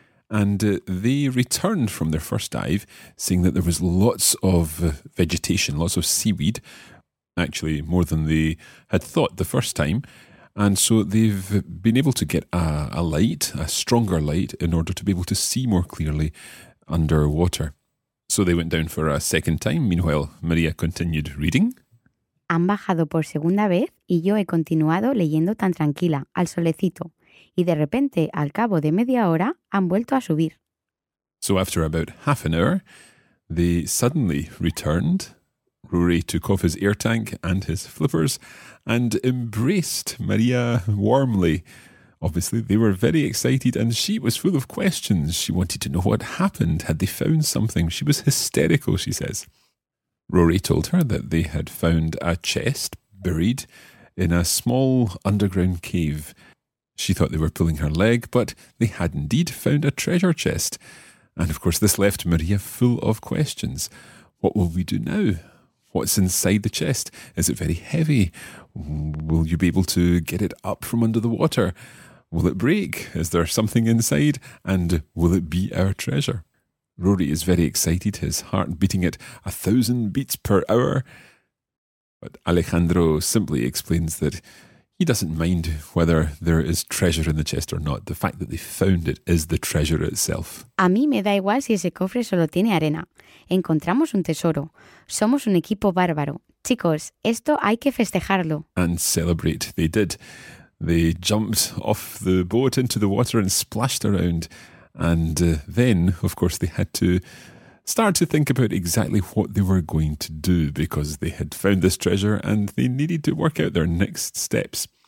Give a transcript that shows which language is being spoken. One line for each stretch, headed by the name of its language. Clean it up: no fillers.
English: And they returned from their first dive, seeing that there was lots of vegetation, lots of seaweed, actually more than they had thought the first time. And so they've been able to get a light, a stronger light, in order to be able to see more clearly underwater. So they went down for a second time. Meanwhile, Maria continued reading.
Spanish: Han bajado por segunda vez y yo he continuado leyendo tan tranquila, al solecito. Y de repente, al cabo de media hora, han vuelto a subir.
English: So after about half an hour, they suddenly returned. Rory took off his air tank and his flippers and embraced Maria warmly. Obviously, they were very excited and she was full of questions. She wanted to know what happened. Had they found something? She was hysterical, she says. Rory told her that they had found a chest buried in a small underground cave. She thought they were pulling her leg, but they had indeed found a treasure chest. And of course, this left Maria full of questions. What will we do now? What's inside the chest? Is it very heavy? Will you be able to get it up from under the water? Will it break? Is there something inside? And will it be our treasure? Rory is very excited, his heart beating at 1,000 beats per hour. But Alejandro simply explains that he doesn't mind whether there is treasure in the chest or not. The fact that they found it is the treasure itself.
Spanish: A mí me da igual si ese cofre solo tiene arena. Encontramos un tesoro. Somos un equipo bárbaro. Chicos, esto hay que festejarlo.
English: And celebrate they did. They jumped off the boat into the water and splashed around. And then, of course, they had to started to think about exactly what they were going to do because they had found this treasure and they needed to work out their next steps.